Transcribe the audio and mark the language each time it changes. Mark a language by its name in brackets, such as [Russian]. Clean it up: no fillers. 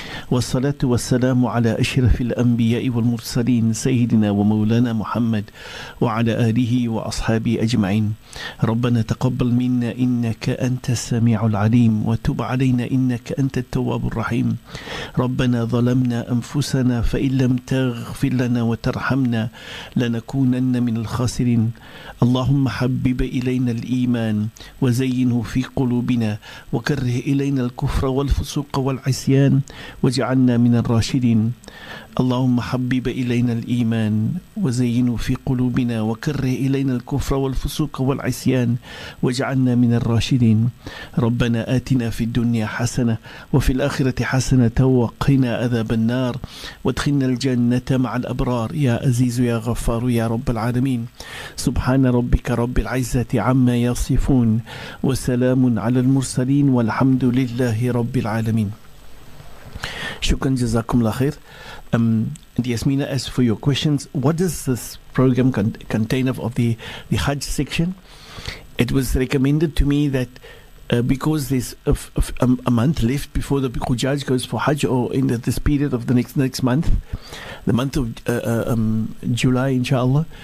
[Arabic] Was salatu was salamu ala ashrafil anbiya'i wal mursalin sayyidina wa mawlana Muhammad wa ala alihi wa ashabihi ajma'in. Rabbana taqabbal minna innaka antas samii'ul 'aliim wa tub 'alaina innaka antat tawwabur rahim. Rabbana dhalamna anfusana fa in lam اغفر لنا وترحمنا لنكونن من الخاسرين. اللهم حبب إلينا الإيمان وزينه في قلوبنا وكره إلينا الكفر والفسوق والعصيان واجعلنا من الراشدين. اللهم حبب إلينا الإيمان وزينه في قلوبنا وكره إلينا الكفر والفسوق والعصيان واجعلنا من الراشدين. ربنا آتنا في الدنيا حسنة وفي الآخرة حسنة وقنا عذاب النار وادخلنا الجنة مع الأبرار يا عزيز يا غفار يا رب العالمين. سبحان ربك رب العزة عما يصفون وسلام على المرسلين والحمد لله رب العالمين. شكرا جزاكم الله خير. [English] Yasmina, as for your questions, what does this program contain of the Hajj section? It was recommended to me that because there's a month left before the Hujjaj goes for Hajj, or in this period of the next month, the month of July, inshallah.